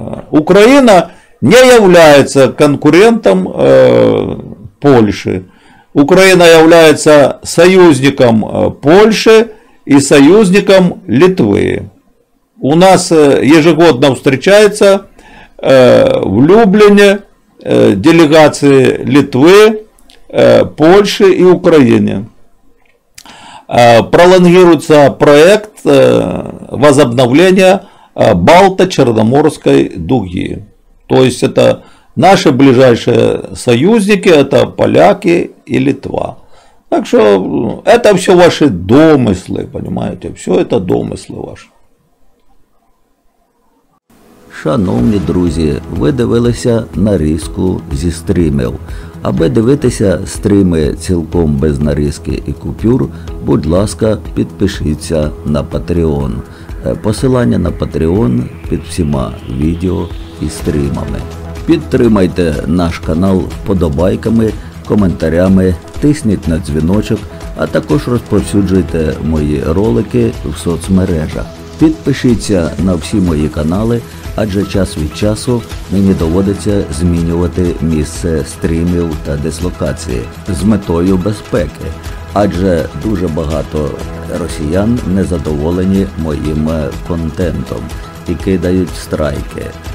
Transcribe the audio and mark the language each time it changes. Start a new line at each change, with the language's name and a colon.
Russian: Украина не является конкурентом Польши. Украина является союзником Польши и союзником Литвы. У нас ежегодно встречается
Ukrainian: в Любліні делегації Литви, Польщі і України. Пролонгується проєкт возобновлення Балто-Чорноморської дуги. Тобто це наші ближайші союзники, це поляки і Литва. Так що це все ваші домисли, розумієте? Все це домисли ваші. Шановні друзі, ви дивилися нарізку зі стрімів. Аби дивитися стріми цілком без нарізки і купюр, будь ласка, підпишіться на Patreon. Посилання на Patreon під всіма відео і стрімами. Підтримайте наш канал вподобайками, коментарями, тисніть на дзвіночок, а також розповсюджуйте мої ролики в соцмережах. Підпишіться на всі мої канали, адже час від часу мені доводиться змінювати місце стрімів та дислокації з метою безпеки, адже дуже багато росіян незадоволені моїм контентом і кидають страйки.